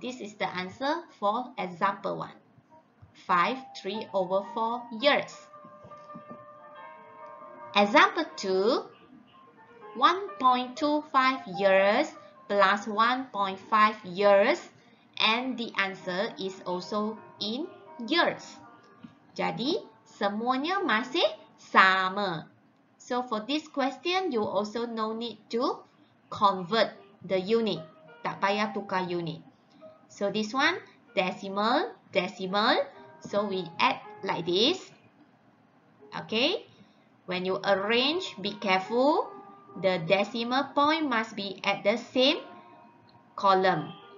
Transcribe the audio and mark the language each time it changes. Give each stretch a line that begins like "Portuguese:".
English: This is the answer for example 1. 5, 3 over 4 years. Example 2, 1.25 years plus 1.5 years, and the answer is also in years.
Malay: Jadi, semuanya masih sama.
English: So, for this question, you also no need to convert the unit.
Malay: Tak payah tukar unit.
English: So, this one, decimal, decimal. So, we add like this. Okay? When you arrange, be careful. The decimal point must be at the same column.